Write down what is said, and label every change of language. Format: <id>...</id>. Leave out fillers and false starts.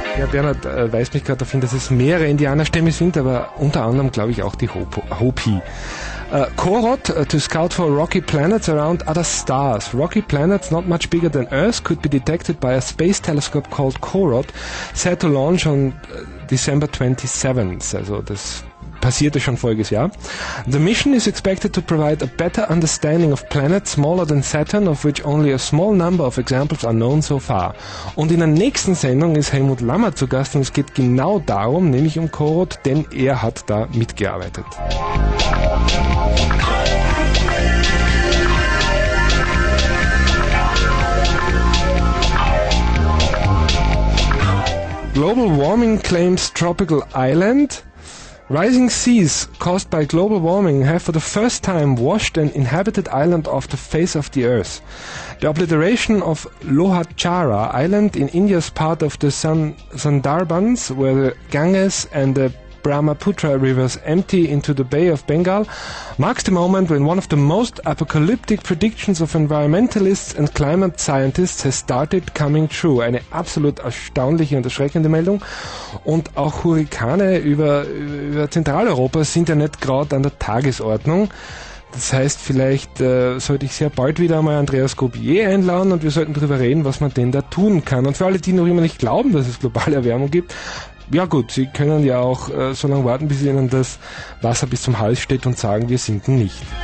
<de>Bernhard weist mich gerade darauf hin, dass es mehrere Indianerstämme sind, aber unter anderem glaube ich auch die Hopi.</de> <en>Korot, to scout for rocky planets around other stars. Rocky planets not much bigger than Earth could be detected by a space telescope called Korot, set to launch on December 27th.</en> <de>Also das passierte schon voriges Jahr.</de> <en>The mission is expected to provide a better understanding of planets smaller than Saturn, of which only a small number of examples are known so far.</en> <de>Und in der nächsten Sendung ist Helmut Lammer zu Gast und es geht genau darum, nämlich um Corot, denn er hat da mitgearbeitet.</de> <en>Global warming claims tropical island. Rising seas caused by global warming have for the first time washed an inhabited island off the face of the earth. The obliteration of Lohatchara Island in India's part of the Sundarbans, where the Ganges and the Brahmaputra rivers empty into the Bay of Bengal, marks the moment when one of the most apocalyptic predictions of environmentalists and climate scientists has started coming true.</en> <de>Eine absolut erstaunliche und erschreckende Meldung. Und auch Hurrikane über Zentraleuropa sind ja nicht gerade an der Tagesordnung. Das heißt, vielleicht sollte ich sehr bald wieder einmal Andreas Goubier einladen und wir sollten darüber reden, was man denn da tun kann. Und für alle, die noch immer nicht glauben, dass es globale Erwärmung gibt, ja gut, Sie können ja auch so lange warten, bis Ihnen das Wasser bis zum Hals steht und sagen, wir sinken nicht.</de>